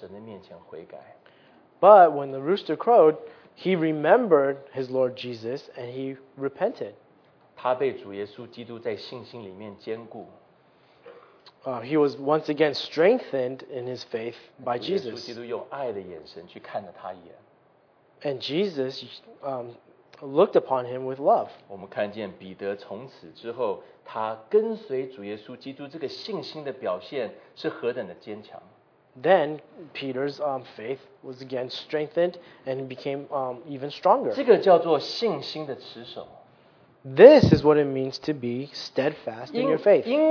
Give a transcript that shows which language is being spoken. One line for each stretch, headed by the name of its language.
Chinese: 可是当这个公鸡一提的时候，他想到他否认了主，他回到神的面前悔改。
English: But when the rooster crowed, he remembered his Lord Jesus and he repented.
Chinese: 他被主耶稣基督在信心里面坚固。
English: He was once again strengthened in his faith by Jesus.
Chinese: 主耶稣基督用爱的眼神去看了他一眼。
English: And Jesus looked upon him with love.
Chinese: 我们看见彼得从此之后，他跟随主耶稣基督这个信心的表现是何等的坚强。
English: Then Peter's faith was again strengthened and became even stronger.
Chinese: 这个叫做信心的持守。
English: This is what it means to be steadfast in your faith.